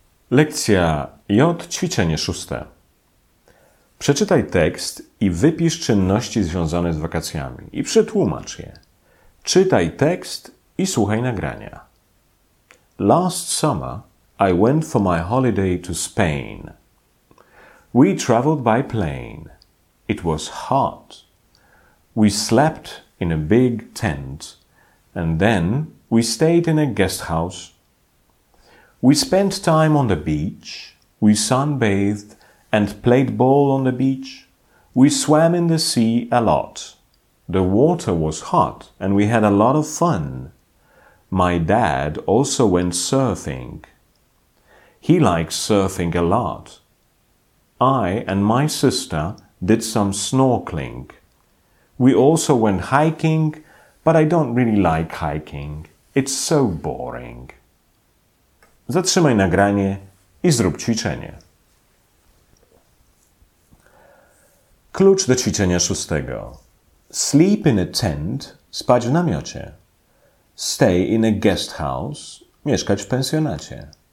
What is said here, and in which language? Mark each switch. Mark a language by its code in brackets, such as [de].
[pl] Lekcja J, ćwiczenie szóste. Przeczytaj tekst i wypisz czynności związane z wakacjami i przetłumacz je. Czytaj tekst i słuchaj nagrania. [en] Last summer, I went for my holiday to Spain. We traveled by plane. It was hot. We slept in a big tent. And then we stayed in a guest house. We spent time on the beach, we sunbathed and played ball on the beach. We swam in the sea a lot. The water was hot and we had a lot of fun. My dad also went surfing. He likes surfing a lot. I and my sister did some snorkeling. We also went hiking, but I don't really like hiking. It's so boring. [pl] Zatrzymaj nagranie i zrób ćwiczenie. Klucz do ćwiczenia szóstego. [en] Sleep in a tent, [pl] spać w namiocie. [en] Stay in a guest house, [pl] mieszkać w pensjonacie.